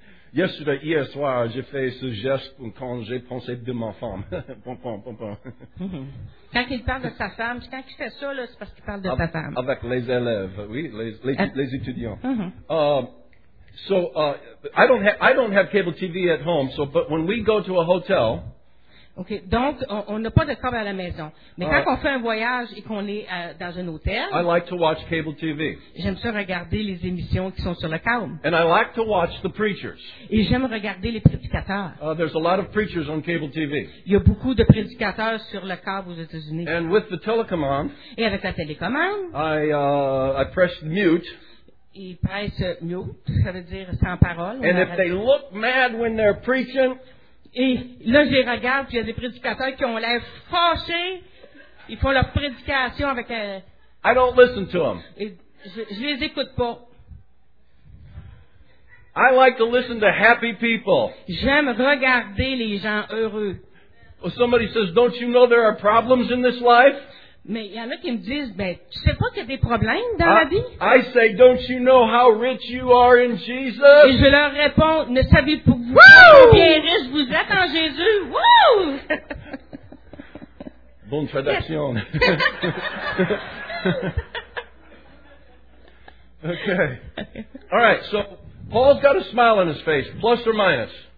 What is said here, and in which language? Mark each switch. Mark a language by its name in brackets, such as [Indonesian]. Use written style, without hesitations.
[English] Yesterday, [French] hier soir, j'ai fait ce geste quand j'ai pensé de ma femme. Quand il parle de sa femme, quand il fait ça, là, c'est parce qu'il parle de sa femme. Avec les élèves, oui, les étudiants. [English] I don't have cable TV at home, so but when we go to a hotel. [French] Okay, donc on n'a pas de câble à la maison. Mais quand on fait un voyage et qu'on est dans un hôtel, [English] I like to watch cable TV. [French] J'aime ça regarder les émissions qui sont sur le câble. [English] And I like to watch the preachers. [French] Et j'aime regarder les prédicateurs. [English] There's a lot of preachers on cable TV. [French] Il y a beaucoup de prédicateurs sur le câble aux États-Unis. [English] And with the telecommande, [French] et avec la télécommande, [English] I press mute. [French] Ils pressent mute, ça veut dire sans parole. And if they look mad when they're preaching. Et là, je les regarde, puis il y a des prédicateurs qui ont l'air fâchés. Ils font leur prédication avec un. [English] I don't listen to them. [French] Et je les écoute pas. [English] I like to listen to happy people. [French] J'aime regarder les gens heureux. [English] Well, somebody says, don't you know there are problems in this life? [French] Mais il y en a qui me disent, ben, tu sais pas qu'il y a des problèmes dans la vie? [English] I say, don't you know how rich you are in Jesus? [French] Et je leur réponds, ne savez-vous pas combien riche vous êtes en Jésus? Woo! Bonne traduction. [English] Okay. All right, so Paul's got a smile on his face, plus or minus.